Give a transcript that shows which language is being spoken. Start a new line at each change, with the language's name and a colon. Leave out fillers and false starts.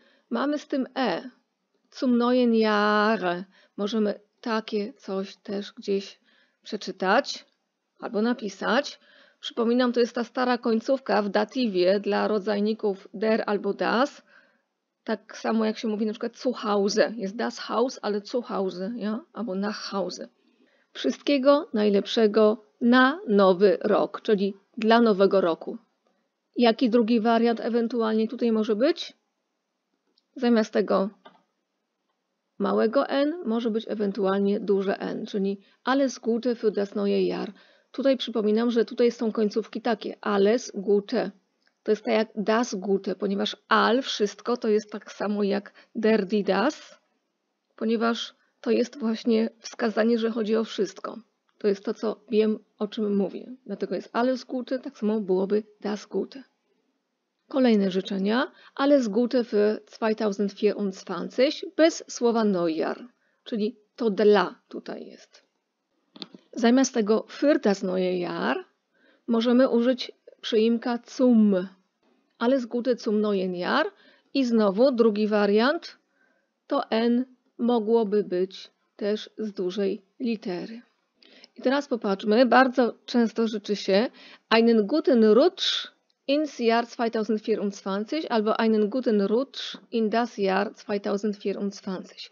Polish: Mamy z tym E.
German: Zum neuen Jahr.
Polish: Możemy takie coś też gdzieś przeczytać albo napisać. Przypominam, to jest ta stara końcówka w datywie dla rodzajników der albo das. Tak samo jak się mówi na przykład zu Hause. Jest das Haus, ale zu Hause, ja? Albo nach Hause. Wszystkiego najlepszego na nowy rok, czyli dla nowego roku. Jaki drugi wariant ewentualnie tutaj może być? Zamiast tego małego n może być ewentualnie duże n, czyli
German: alles Gute für das neue Jahr.
Polish: Tutaj przypominam, że tutaj są końcówki takie, alles Gute. To jest tak jak das Gute, ponieważ all, wszystko, to jest tak samo jak der, die, das, ponieważ to jest właśnie wskazanie, że chodzi o wszystko. To jest to, co wiem, o czym mówię. Dlatego jest alles Gute, tak samo byłoby das Gute. Kolejne życzenia.
German: Alles Gute für 2024,
Polish: bez słowa Neujahr, czyli to dla tutaj jest. Zamiast tego für das neue Jahr możemy użyć przyimka zum.
German: Alles Gute zum neuen Jahr.
Polish: I znowu drugi wariant. To N mogłoby być też z dużej litery. I teraz popatrzmy. Bardzo często życzy się
German: einen guten Rutsch ins Jahr 2024
Polish: albo
German: einen guten Rutsch in das Jahr 2024.